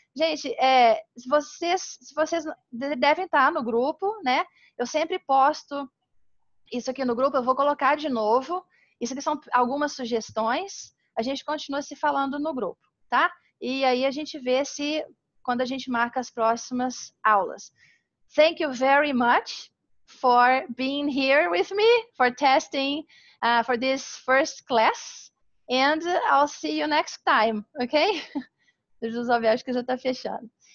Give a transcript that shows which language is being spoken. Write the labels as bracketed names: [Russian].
[Portuguese] Gente, se vocês devem estar no grupo, né? Eu sempre posto isso aqui no grupo, eu vou colocar de novo. Isso aqui são algumas sugestões. A gente continua se falando no grupo, tá? E aí a gente vê se, quando a gente marca as próximas aulas. [English] Thank you very much for being here with me, for testing for this first class. And I'll see you next time, ok? [Portuguese] José, acho que já está fechando.